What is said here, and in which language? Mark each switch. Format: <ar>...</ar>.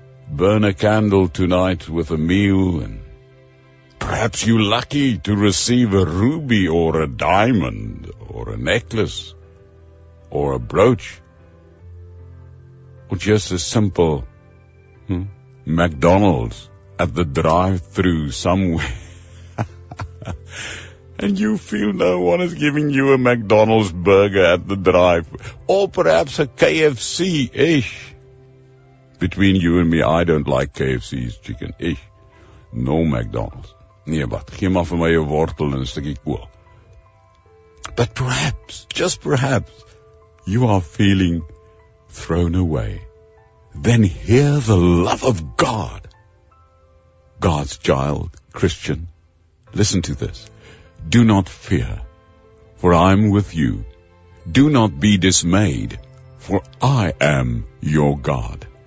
<en>burn a candle tonight with a meal, and perhaps you're lucky to receive a ruby or a diamond or a necklace or a brooch or just a simple McDonald's at the drive-thru somewhere. And you feel no one is giving you a McDonald's burger at the drive, or perhaps a KFC-ish. Between you and me, I don't like KFC's chicken-ish. No McDonald's.</en> <af>Nee, but gee maar vir my 'n wortel en 'n stukkie kool.</af> <en>But perhaps, just perhaps, you are feeling thrown away. Then hear the love of God. God's child, Christian. Listen to this. Do not fear, for I am with you. Do not be dismayed, for I am your God.</en>